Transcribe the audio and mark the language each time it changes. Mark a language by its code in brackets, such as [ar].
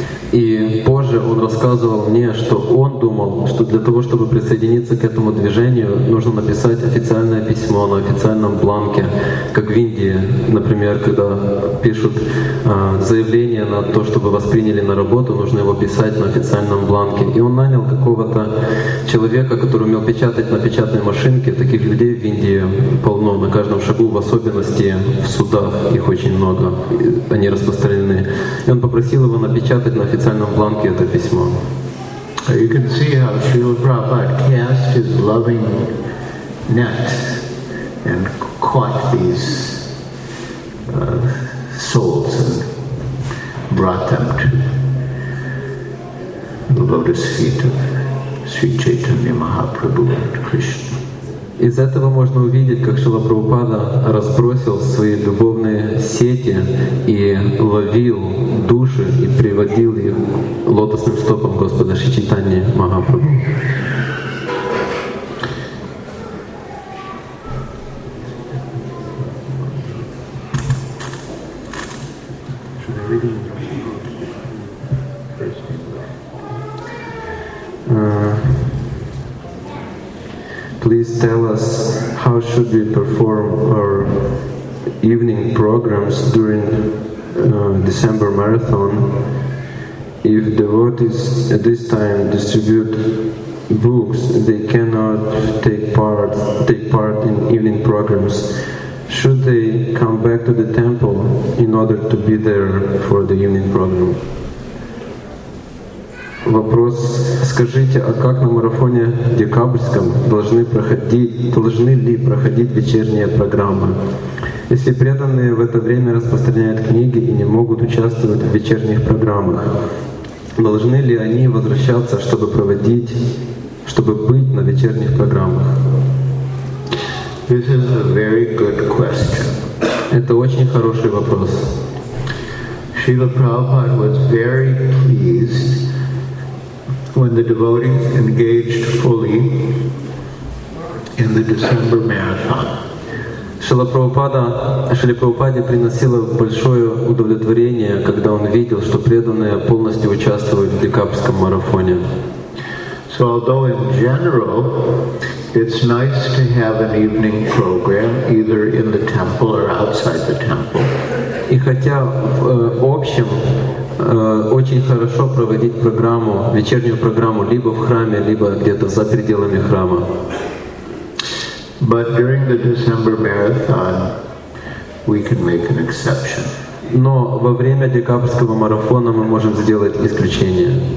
[ru] И позже он рассказывал мне, что он думал, что для того, чтобы присоединиться к этому движению, нужно написать официальное письмо на официальном бланке, как в Индии, например, когда пишут заявление на то, чтобы вас приняли на работу, нужно его писать на официальном бланке. И он нанял какого-то человека, который умел печатать на печатной машинке. Таких людей в Индии полно, на каждом шагу, в особенности в судах их очень много, они распространены. И он попросил его напечатать на официальном бланке это письмо. [en] You can see how Srila Prabhupada cast his loving net and caught these souls and brought them to the lotus feet of Sri Chaitanya Mahaprabhu and Krishna. [ru] Из этого можно увидеть, как Шрила Прабхупада разбросил свои любовные сети и ловил души и приводил их лотосным стопам Господа Шри Чайтаньи Махапрабху. [en] Please tell us, how should we perform our evening programs during December marathon? If devotees at this time distribute books, they cannot take part in evening programs. Should they come back to the temple in order to be there for the evening program? [ru] Вопрос: скажите, а как на марафоне декабрьском должны ли проходить вечерние программы? Если преданные в это время распространяют книги и не могут участвовать в вечерних программах, должны ли они возвращаться, чтобы быть на вечерних программах? [en] This is a very good question. [ru] Это очень хороший вопрос. [en] Srila Prabhupada was very pleased when the devotees engaged fully in the December marathon. [ru] Шрила Прабхупаде приносило большое удовлетворение, когда он видел, что преданные полностью участвуют в декабрьском марафоне. [en] So although in general it's nice to have an evening program either in the temple or outside the temple. [ru] И хотя в общем очень хорошо проводить программу, вечернюю программу, либо в храме, либо где-то за пределами храма. [en] But during the December marathon, we can make an exception. [ru] Но во время декабрьского марафона мы можем сделать исключение.